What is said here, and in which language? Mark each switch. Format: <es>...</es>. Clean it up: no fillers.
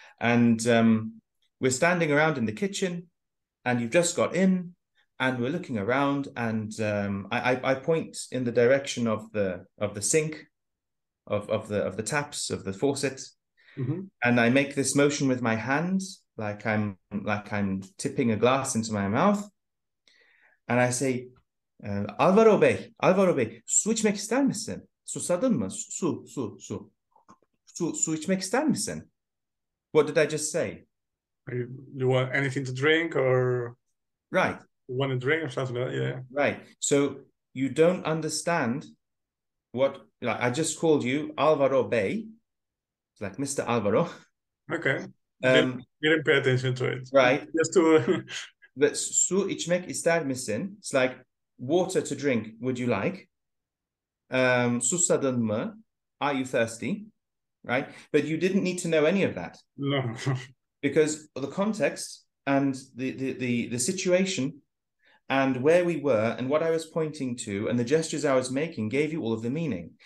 <en>And we're standing around in the kitchen, and you've just got in, and we're looking around, and I point in the direction of the sink, of the taps, of the faucet. Mm-hmm. And I make this motion with my hand, like I'm tipping a glass into my mouth. And I say, Alvaro Bey,</en> <tr>suçmek ister misin? Susadın mı? Su. Su içmek ister misin?</tr> <en>What did I just say? You want anything to drink, or? Right. You want a drink or something like that? Yeah. Right. So you don't understand what, like, I just called you Alvaro Bey. Like, Mr. Alvaro. Okay. You didn't pay attention to it. Right. Just to... But</en> <tr>su içmek ister misin?</tr> <en>It's like, water to drink, would you like?</en> <tr>Susadın mı?</tr> <en>Are you thirsty? Right? But you didn't need to know any of that. No. Because the context and the situation and where we were and what I was pointing to and the gestures I was making gave you all of the meaning.</en>